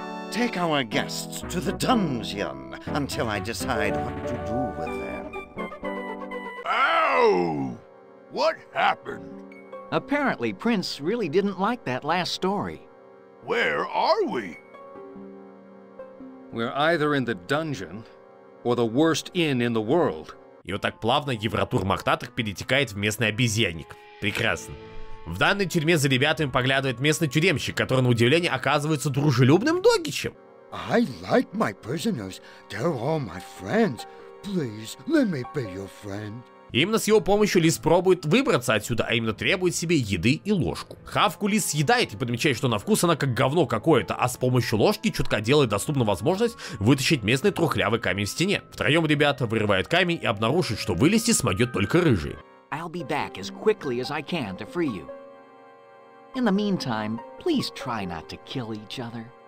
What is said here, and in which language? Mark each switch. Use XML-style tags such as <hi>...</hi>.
<en>Take our guests to the dungeon until I decide what to do with them. Ow! What happened? Apparently, Prince really didn't like that last story. Where are we? We're either in the dungeon or the worst inn in the world.</en> <ru>И вот так плавно Евротур Мохнатых перетекает в местный обезьянник. Прекрасно. В данной тюрьме за ребятами поглядывает местный тюремщик, который, на удивление, оказывается дружелюбным догичем.</ru> <en>I like my prisoners. They're all my friends. Please, let me be your friend.</en> <ru>И именно с его помощью лис пробует выбраться отсюда, а именно требует себе еды и ложку. Хавку лис съедает и подмечает, что на вкус она как говно какое-то, а с помощью ложки чутка делает доступна возможность вытащить местный трухлявый камень в стене. Втроем ребята вырывают камень и обнаружат, что вылезти смогет только рыжий.</ru> <en>I'll be back as quickly as I can to free you. In the meantime, please try not to kill each other.</en>